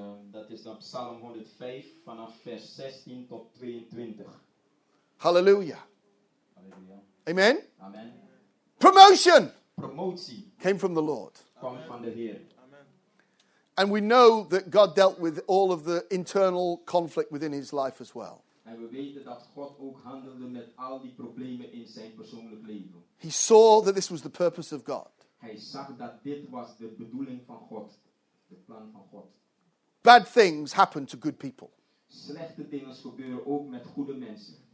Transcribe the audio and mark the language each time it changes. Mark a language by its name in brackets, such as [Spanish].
[Dutch] Dat is dan Psalm 105 vanaf vers 16 tot 22. Hallelujah. Hallelujah. Amen. Amen. [English] Promotion. [Dutch] Promotie. [English] Came from the Lord. [Dutch] Kwam van de Heer. [English] And we know that God dealt with all of the internal conflict within his life as well. [Dutch] En we weten dat God ook handelde met al die problemen in zijn persoonlijk leven. [English] He saw that this was the purpose of God. [Dutch] Hij zag dat dit was de bedoeling van God, de plan van God. [English] Bad things happen to good people. [Dutch] Slechte dingen gebeuren ook met goede mensen.